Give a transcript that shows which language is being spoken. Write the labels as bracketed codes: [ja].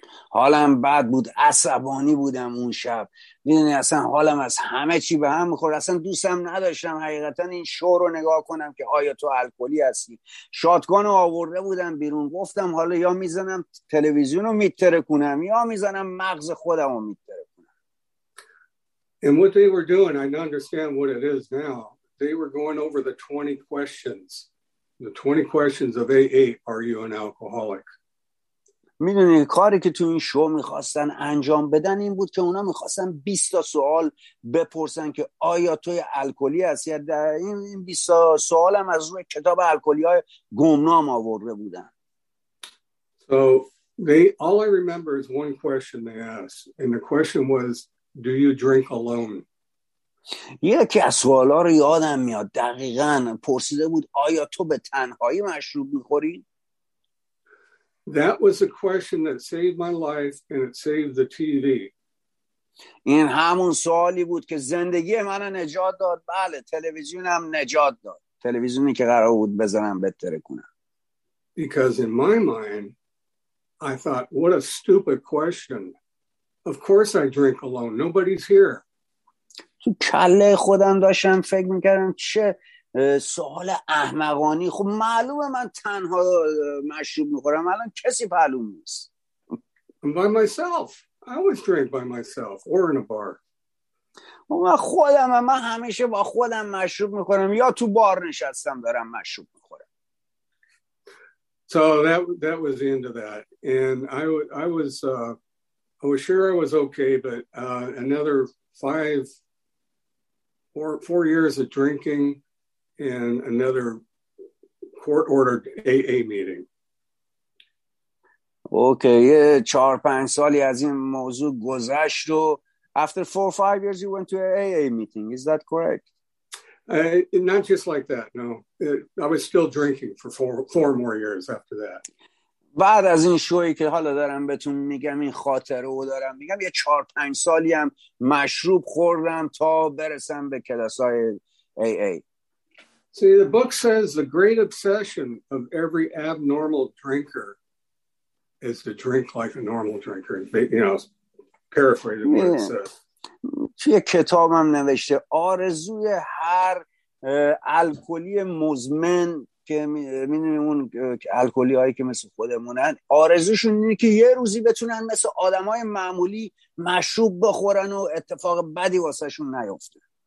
[fa] حالم بد بود، عصبانی بودم اون شب، میدونی اصلا حالم از همه چی به هم میخورد، اصلا دوستم نداشتم حقیقتا این شو رو نگاه کنم که آیا تو الکلی هستی. شاتگان رو آورده بودم بیرون، گفتم حالا یا میزنم تلویزیون رو میترکونم یا میزنم مغز خودم رو میترکونم. [en] And what they were doing, I understand what it is now. They were going over the 20 questions. The 20 questions of AA, are you an alcoholic? [fa] میدونی کاری که تو این شو میخواستن انجام بدن این بود که اونا میخواستن 20 تا سوال بپرسن که آیا توی الکلی هستی. در این 20 سوال هم از روی کتاب الکلی های گمنام آورده بودن. [en] So they, all I remember is one question they asked, and the question was, do you drink alone? [fa] یکی از سوال ها رو یادم میاد دقیقا پرسیده بود آیا تو به تنهایی مشروب میخوری؟ [en] That was a question that saved my life and it saved the TV. [fa] این همون سوالی بود که زندگی منو نجات داد. بله، تلویزیونم نجات داد. تلویزیونی که قرار بود بزنم بهتره کنم. [en] Because in my mind I thought, what a stupid question. Of course I drink alone. Nobody's here. [fa] تو کله خودم داشتم فکر می‌کردم چه سوال احمقانی، خب معلومه من تنها مشروب میخورم، الان کسی معلوم نیست. [en] I'm by myself. I always drink by myself or in a bar. [fa] من خودم، من همیشه با خودم مشروب میخورم یا تو بار نشستم دارم مشروب میخورم. [en] So that was the end of that, and I was sure I was okay, but another 4 years of drinking in another court ordered AA meeting. Okay, [fa] 4-5 سالی از این موضوع گذشت و [en] after 4-5 years you went to an AA meeting, is that correct? Not just like that, no. I was still drinking for four more years after that. [fa] بعد از این شویی که حالا دارم بهتون میگم این خاطره رو دارم میگم، یه 4-5 سالی هم مشروب خوردم تا برسم به کلاس‌های AA. [en] See, the book says the great obsession of every abnormal drinker is to drink like a normal drinker. Paraphrasing what it says. [fa] توی کتابم نوشته آرزوی هر الکلی مزمن که می‌دونیم اون الکلی‌هایی که مثل خودمونن، آرزوشون اینه که یه روزی بتونن مثل آدم‌های معمولی مشروب بخورن و اتفاق بدی واسهشون نیفته.